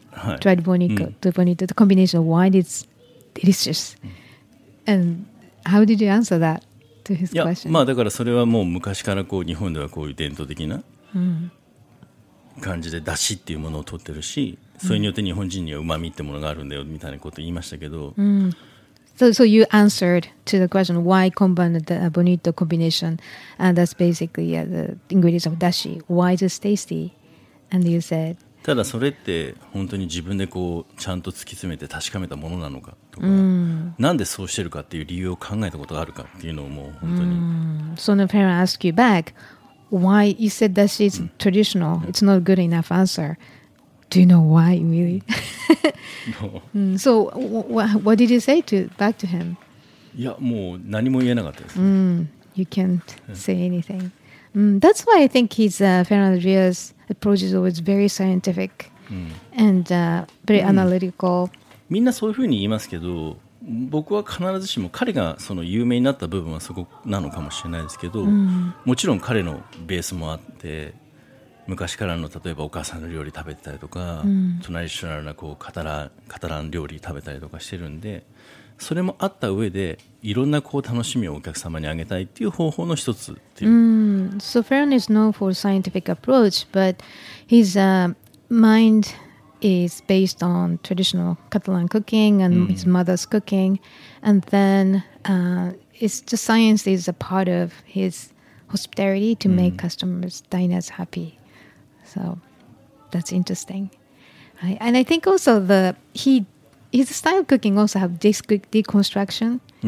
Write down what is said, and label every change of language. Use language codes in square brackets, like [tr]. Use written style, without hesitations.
[ja] はい、 [en] dried bonito,、うん、to bonito the combination of why it's delicious、うん、and how did you answer that to his question? [ja] いや、まあ、だからそれはもう昔からこう日本ではこういう伝統的な、うん感じで出汁っていうものを取ってるし、それによって日本人には旨味ってものがあるんだよみたいなこと言いましたけど、 [en] So you answered to the question why combine the bonito combination and that's basically yeah, the ingredients of dashi. Why is it tasty? And you said [ja] ただそれって本当に自分でこうちゃんと突き詰めて確かめたものなのかとか、 mm. なんでそうしてるかっていう理由を考えたことがあるかっていうのをもう本当に、 [en] So the parent asked you backWhy you said that she's traditional? It's not a good enough answer. Do you know why, really? No. So, what did you say back to him? いや、もう何も言えなかったです、ね。 You can't say anything. That's why I think his Fernando Rios approach is always very scientific and very analytical. [ja] みんなそういうふうに言いますけど、僕は必ずしも彼がその有名になった部分はそこなのかもしれないですけど、うん、もちろん彼のベースもあって昔からの例えばお母さんの料理食べてたりとか、うん、トラディショナルなこうカタラン料理食べたりとかしてるんでそれもあった上でいろんなこう楽しみをお客様にあげたいっていう方法の一つっていう、 [en] So Fernand is known for scientific approach but his mindis based on traditional Catalan cooking and his mother's cooking and then it's the science is a part of his hospitality to make customers diners happy so that's interesting and I think also his style of cooking also have deconstruction